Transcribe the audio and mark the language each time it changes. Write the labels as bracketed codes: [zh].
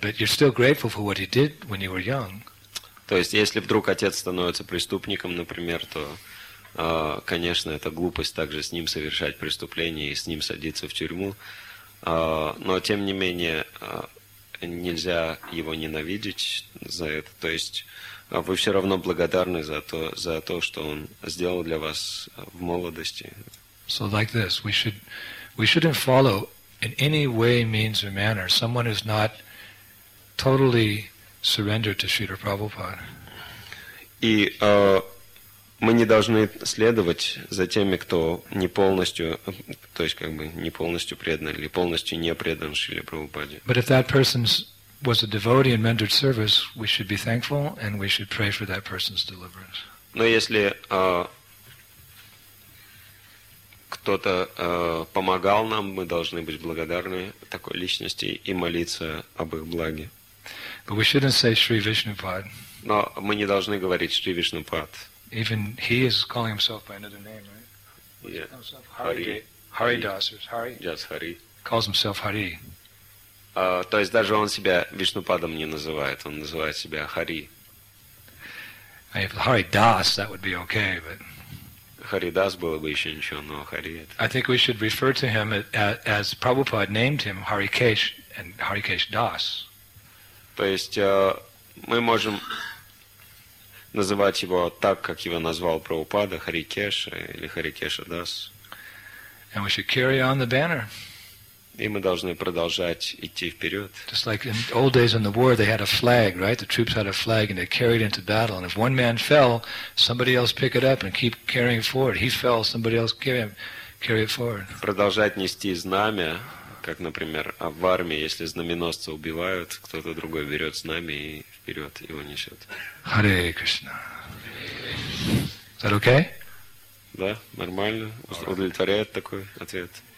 [en] But you're still grateful for what he did when you were young. [ru] То есть, если вдруг отец становится преступником, например, то Конечно, это глупость также с ним совершать преступление и с ним садиться в тюрьму. Но, тем не менее, нельзя его ненавидеть за это. То есть вы все равно благодарны за то, что он сделал для вас в молодости. [en] So like this, we shouldn't follow in any way, means or manner someone who's not totally surrendered to Srila Prabhupada. [ru] И мы не должны следовать за теми, кто не полностью, то есть как бы не полностью предан или полностью не предан Шриле Прабхупаде. [en] But if that person was a devotee and rendered service, we should be thankful and we should pray for that person's deliverance. [ru] Но если кто-то помогал нам, мы должны быть благодарны такой личности и молиться об их благе. [en] But we shouldn't say Shri Vishnupad. [ru] Но мы не должны говорить Шри Вишнупад. [en] Even he is calling himself by another name, right? Yeah. Hari. Yes, Hari. Calls himself Hari. [ru] То есть даже он себя Вишнупадом не называет, он называет себя Хари. [en] If Hari Das, that would be okay, but. [ru] Хари Дас было бы еще ничего, но Хари. [en] I think we should refer to him as Prabhupada named him Hari Kesh and Hari Kesh Das. [ru] То есть мы можем называть его так, как его назвал Прабхупада, Хари Кеша или Хари Кеша Дас. [en] And we should carry on the banner. [ru] И мы должны продолжать идти вперед. [en] Just like in old days in the war, they had a flag, right? The troops had a flag and they carried it into battle. And if one man fell, somebody else pick it up and keep carrying it forward. He fell, somebody else carry it forward. [ru] Продолжать нести знамя, как, например, в армии, если знаменосца убивают, кто-то другой берет знамя и вперед его несет. [en] Харе Кришна. Is that okay? [ru] Да, нормально. Удовлетворяет такой ответ.